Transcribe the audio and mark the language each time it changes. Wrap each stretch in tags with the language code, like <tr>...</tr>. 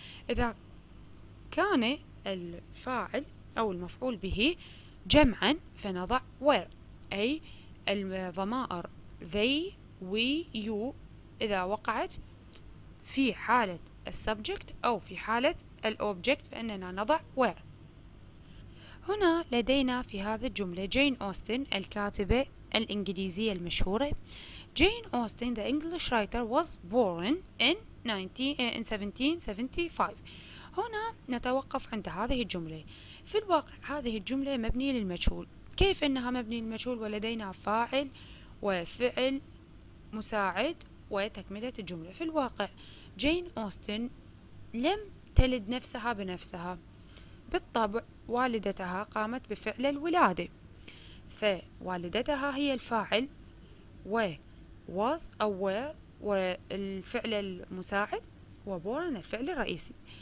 <ar>إذا كان الفاعل أو المفعول به جمعا فنضع were، أي الضمائر they, we, you إذا وقعت في حالة السبجكت أو في حالة الأوبجكت فإننا نضع where. هنا لدينا في هذه الجملة جين أوستن الكاتبة الإنجليزية المشهورة.</ar> <en>Jane Austen the English writer was born in 1775.</en> <ar>هنا نتوقف عند هذه الجملة. في الواقع هذه الجملة مبنية للمجهول. كيف أنها مبنية للمجهول ولدينا فاعل وفعل مساعد وتكملة الجملة؟ في الواقع جين أوستن لم تلد نفسها بنفسها، بالطبع والدتها قامت بفعل الولادة، فوالدتها هي الفاعل و</ar> <en>was aware</en> <ar>والفعل المساعد وبورن الفعل الرئيسي.</ar>